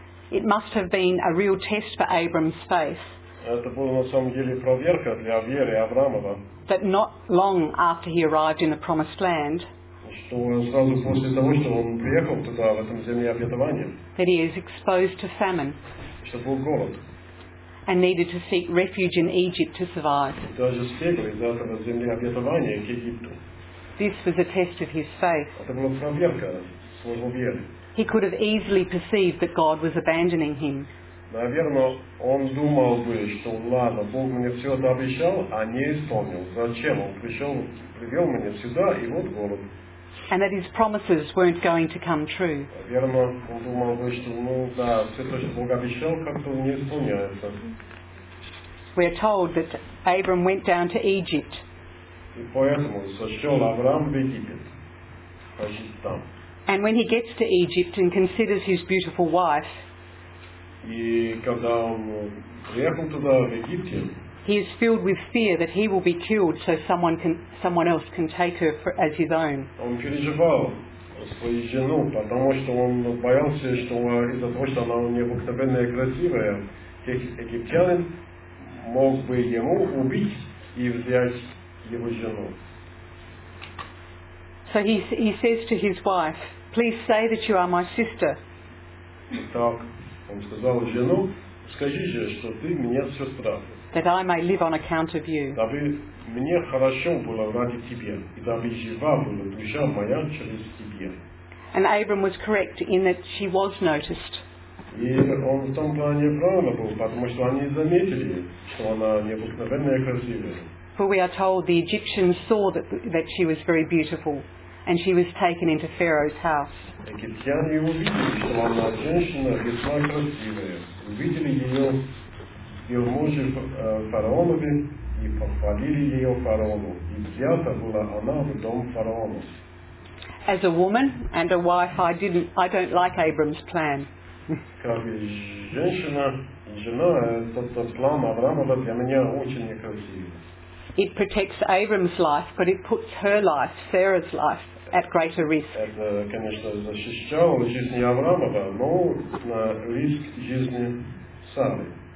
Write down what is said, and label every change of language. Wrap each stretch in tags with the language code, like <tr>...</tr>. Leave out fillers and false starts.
<en>It must have been a real test for Abram's faith.</en> <ru>Это было на самом деле проверка для веры Авраамова.</ru> <en>That not long after he arrived in the promised land.</en> <ru>Что сразу после того, что он приехал туда, в этом земле обетования.</ru> <en>That he is exposed to famine.</en> <ru>Что был голод.</ru> <en>And needed to seek refuge in Egypt to survive.</en> <ru>Даже сбегал из этого земли обетования к Египту.</ru> <en>This was a test of his faith.</en> <ru>Это была проверка своего веры.</ru> <en>He could have easily perceived that God was abandoning him.</en> <ru>Наверное, он думал бы, что ладно, Бог мне все это обещал, а не исполнил. Зачем? Он пришел, привел меня сюда, и вот город.</ru> <en>And that his promises weren't going to come true.</en> <ru>Наверное, он думал бы, что все то, что Бог обещал, как-то не исполняется.</ru> <en>We are told that Abram went down to Egypt.</en> <ru>И поэтому сошел Авраам в Египет. Значит, там.</ru> <en>And when he gets to Egypt and considers his beautiful wife,</en> <ru>и когда он приехал туда, в Египте,</ru> <en>he is filled with fear that he will be killed so someone else can take her as his own.</en> <ru>Он переживал свою жену, потому что он боялся, что из-за того, что она необыкновенно красивая, египтянин мог бы ему убить и взять его жену.</ru> <en>So he says to his wife, please say that you are my sister.</en> <ru>Так. Он сказал жену, скажи же, что ты мне сестра.</ru> <en>That I may live on account of you.</en> <ru>Дабы мне хорошо было ради тебя, и дабы жива была душа моя через тебя.</ru> <en>And Abram was correct in that she was noticed.</en> <ru>И он в том плане правильно был, потому что они заметили, что она необыкновенно красивая.</ru> <en>For we are told the Egyptians saw that she was very beautiful. And she was taken into Pharaoh's house.</en> <ru>Египтяне увидели, что она женщина весьма красивая. Увидели ее мужа фараонове и похвалили ее фараону. И взята была она в дом фараона.</ru> <en>As a woman and a wife, I don't like Abram's plan.</en> <ru>Как женщина и жена, этот план Авраамова для меня очень некрасивый.</ru> <en>It protects Abram's life, but it puts her life, Sarah's life, at greater risk.</en> <ru>Это, конечно, защищало жизнь Авраамова, но на риск жизни Сары.</ru>